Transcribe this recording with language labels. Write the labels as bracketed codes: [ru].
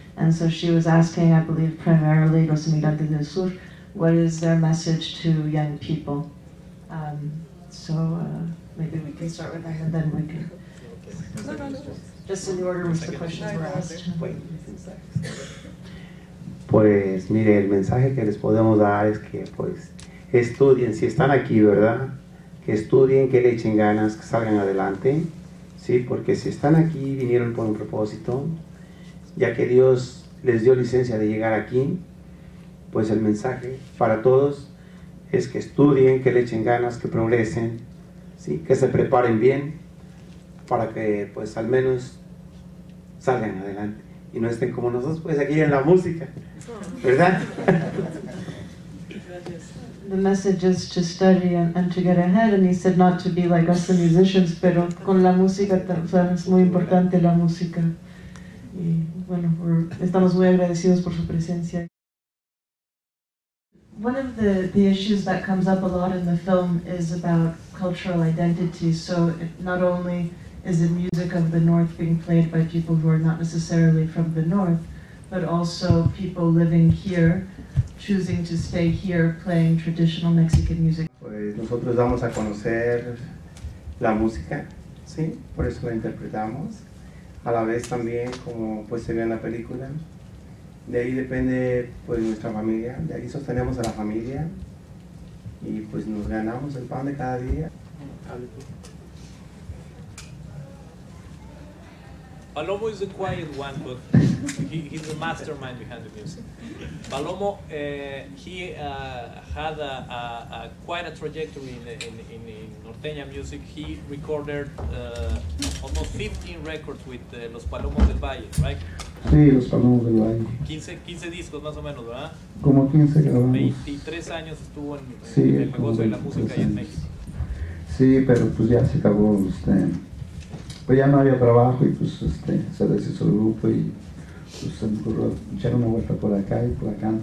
[en] And so she was asking, I believe, primarily Los Inmigrantes del Sur, what is their message to young people? So maybe we can start with that, and then we can. No. Just in the order in which the questions were asked. [es] Pues mire, el mensaje que les podemos dar es que pues estudien, si están aquí, ¿verdad? Que estudien, que le echen ganas, que salgan adelante, ¿sí? Porque si están aquí, vinieron por un propósito, ya que Dios les dio licencia de llegar aquí, pues el mensaje para todos es que estudien, que le echen ganas, que progresen, ¿sí? Que se preparen bien para que pues al menos salgan adelante y no estén como nosotros, pues aquí en la música. [en] The message is to study and to get ahead, and he said not to be like us, the musicians, [es] pero con la música, es muy importante la música. Y bueno, estamos muy agradecidos por su presencia. [en] One of the issues that comes up a lot in the film is about cultural identity. So not only is the music of the North being played by people who are not necessarily from the North, but also people living here, choosing to stay here, playing traditional Mexican music. [es] Pues nosotros vamos a conocer la música, sí, por eso la interpretamos. A la vez también, como pues se ve en la película, de ahí depende pues nuestra familia, de ahí sostenemos a la familia y pues nos ganamos el pan de cada día. [en] Palomo is a quiet one, but he's the mastermind behind the music. Palomo, had quite a trajectory in Norteña music. He recorded almost 15 records with Los Palomos del Valle, right? [es] Sí, Los Palomos del Valle. 15 discos, más o menos, ¿verdad? Como 15 grabamos. 23 años estuvo en sí, el negocio de la música ahí en México. Sí, pero pues ya se acabó Pues ya no había trabajo y pues se deshizo el grupo y pues se me ocurrió echar una vuelta por acá y por acá.